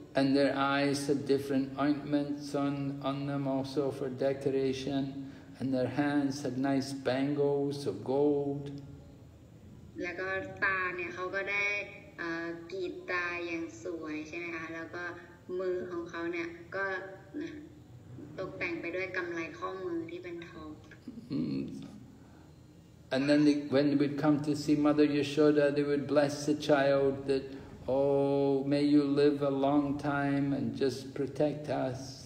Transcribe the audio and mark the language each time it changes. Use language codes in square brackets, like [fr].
[en] And their eyes have different ointments on them also for decoration and their hands have nice bangles of gold [th] แล้วก็ตาเนี่ยเขาก็ได้กรีดตาอย่างสวยใช่ไหมคะแล้วก็มือของเขาเนี่ยก็นะตกแต่งไปด้วยกำไรข้อมือที่เป็นทอง [en] And then when they would come to see Mother Yashoda, they would bless the child that, oh, may you live a long time and just protect us.